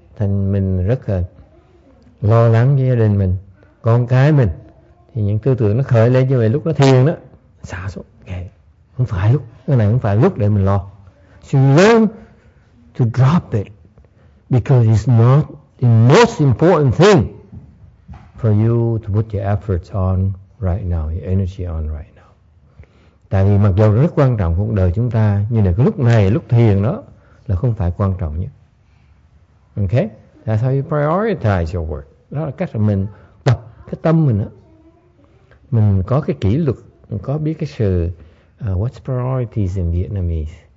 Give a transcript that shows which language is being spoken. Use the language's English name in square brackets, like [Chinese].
[Vietnamese] Thành mình rất là lo lắng với gia đình mình, con cái mình. Thì những tư tưởng nó khởi lên như vậy lúc nó thiền đó, xả xuống. Okay. Không phải lúc, cái này không phải lúc để mình lo. [English] So you learn to drop it. Because it's not the most important thing for you to put your efforts on right now, your energy on right now. [Vietnamese] Tại vì mặc dù rất quan trọng cuộc đời chúng ta, nhưng mà cái lúc này, lúc thiền đó là không phải quan trọng nhất. Okay? [English] That's how you prioritize your work. [Vietnamese] Đó là cách mà mình tập cái tâm mình đó. Mình có cái kỷ luật, mình có biết cái sự [English] what's priorities in Vietnamese?